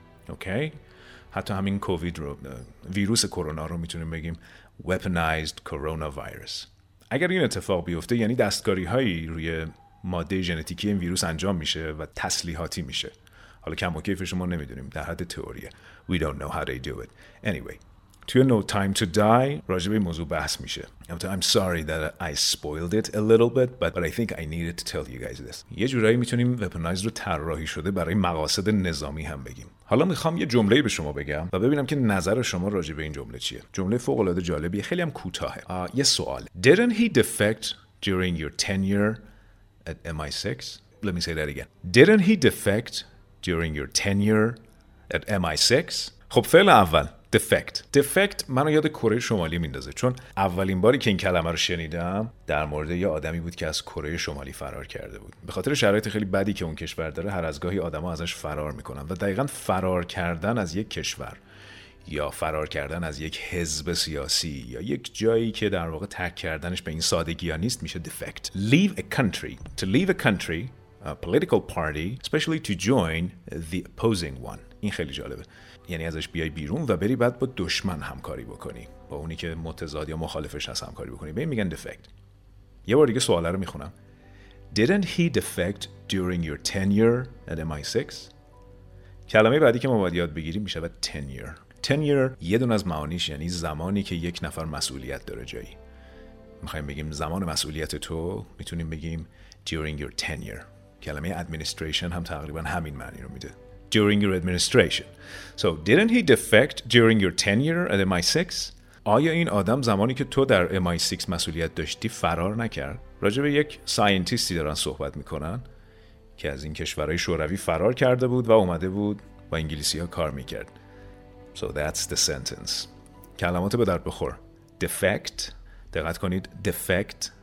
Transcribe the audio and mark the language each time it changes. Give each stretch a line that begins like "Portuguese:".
Persian: Okay؟ حتی همین کووید رو، ویروس کرونا رو میتونیم بگیم
English: weaponized coronavirus.
Persian: اگر این اتفاق بیفته یعنی دستکاری هایی روی ماده ژنتیکی این ویروس انجام میشه و تسلیحاتی میشه. حالا کم و کیفش ما نمیدونیم، در حد تئوریه.
English: We don't know how they do it.
Persian: Anyway، توی No Time to Die راجع به این موضوع بحث میشه.
English: I'm sorry that I spoiled it a little bit, but I think I needed to tell you guys this.
Persian: یه جورایی میتونیم weaponized رو طراحی شده برای مقاصد نظامی هم بگیم. حالا میخوام یه جمله به شما بگم و ببینم که نظر شما راجع به این جمله چیه. جمله فوق العاده جالبیه، خیلی هم کوتاهه. یه سوال.
English: Didn't he defect during your tenure at MI6? Let me say that again. Didn't he defect during your tenure at MI6?
Persian: خب فعل اول defect. Defect منو یاد کره شمالی میندازه، چون اولین باری که این کلمه رو شنیدم در مورد یه آدمی بود که از کره شمالی فرار کرده بود. به خاطر شرایط خیلی بدی که اون کشور داره، هر از گاهی آدم‌ها ازش فرار میکنن و دقیقاً فرار کردن از یک کشور یا فرار کردن از یک حزب سیاسی یا یک جایی که در واقع ترک کردنش به این سادگی ها نیست میشه defect.
English: Leave a country. To leave a country, a political party, especially to join the opposing one.
Persian: این خیلی جالبه. یعنی ازش بیای بیرون و بری بعد با دشمن همکاری بکنی، با اونی که متضاد یا مخالفش هست همکاری بکنی، به این میگن defect. یه بار دیگه سوال رو میخونم.
English: Didn't he defect during your tenure at MI6؟
Persian: کلمه بعدی که ما باید یاد بگیریم میشه بعد tenure. Tenure یه دون از معانیش یعنی زمانی که یک نفر مسئولیت داره جایی. میخوایم بگیم زمان مسئولیت تو، میتونیم بگیم during your tenure. کلمه administration هم تقریبا همین معنی رو میده.
English: During your administration. So, didn't he defect during your tenure at MI6?
Persian: آیا این آدم زمانی که تو در MI6 مسئولیت داشتی فرار نکرد؟ راجع به یک ساینتیستی دارن صحبت میکنن که از این کشورهای شوروی فرار کرده بود و اومده بود با انگلیسی ها کار میکرد.
English: So, that's the sentence.
Persian: کلمات به درد بخور.
English: Defect.
Persian: دقت کنید.
English: Defect.